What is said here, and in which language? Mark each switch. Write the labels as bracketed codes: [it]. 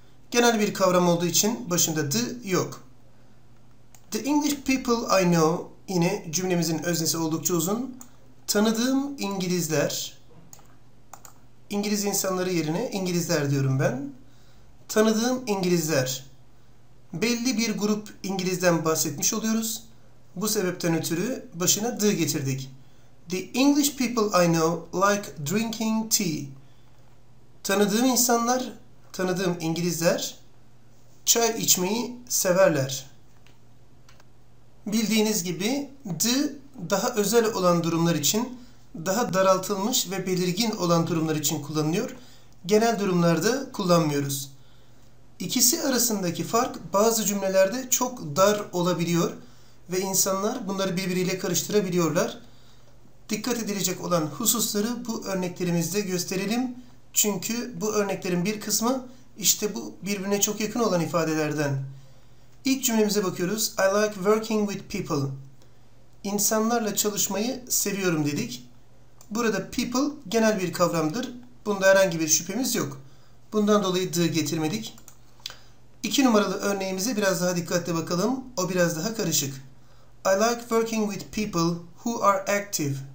[tr] Genel bir kavram olduğu için başında the yok. The English people I know, yine cümlemizin öznesi oldukça uzun. Tanıdığım İngilizler, İngiliz insanları yerine İngilizler diyorum ben. Tanıdığım İngilizler, belli bir grup İngilizden bahsetmiş oluyoruz. Bu sebepten ötürü başına the getirdik. [en] The English people I know like drinking tea. [tr] Tanıdığım insanlar, tanıdığım İngilizler çay içmeyi severler. Bildiğiniz gibi the daha özel olan durumlar için, daha daraltılmış ve belirgin olan durumlar için kullanılıyor. Genel durumlarda kullanmıyoruz. İkisi arasındaki fark bazı cümlelerde çok dar olabiliyor ve insanlar bunları birbiriyle karıştırabiliyorlar. Dikkat edilecek olan hususları bu örneklerimizde gösterelim. Çünkü bu örneklerin bir kısmı işte bu birbirine çok yakın olan ifadelerden. İlk cümlemize bakıyoruz. I like working with people. İnsanlarla çalışmayı seviyorum dedik. Burada people genel bir kavramdır. Bunda herhangi bir şüphemiz yok. Bundan dolayı the getirmedik. İki numaralı örneğimize biraz daha dikkatle bakalım. O biraz daha karışık. [en] I like working with people who are active.